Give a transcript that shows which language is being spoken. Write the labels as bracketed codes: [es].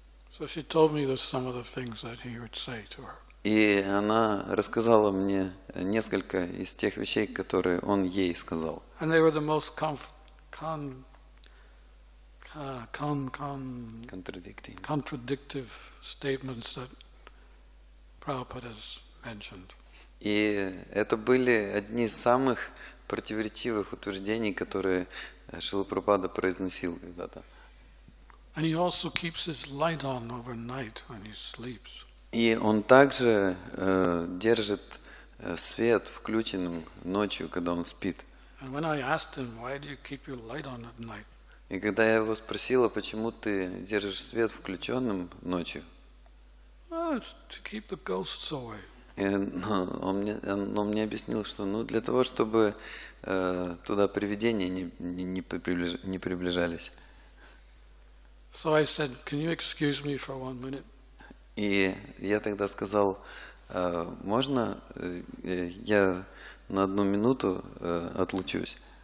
[en] So she told me that some of the things that he would say to her. [ru] И она рассказала мне несколько из тех вещей, которые он ей сказал. [en] And they were the most contradictive statements that Prabhupada has mentioned. [ru] И это были одни из самых противоречивых утверждений, которые Шрила Прабхупада произносил когда-то. [en] And he also keeps his light on overnight when he sleeps. [ru] И он также держит свет включенным ночью, когда он спит. [en] And when I asked him, "Why do you keep your light on at night?" [ru] И когда я его спросила, почему ты держишь свет включенным ночью? [en] To keep the ghosts away. [ru] И он мне объяснил, что для того, чтобы туда привидения не приближались. [en] So I said, "Can you excuse me for 1 minute?" [ru] И я тогда сказал: "Можно я на 1 минуту отлучусь?"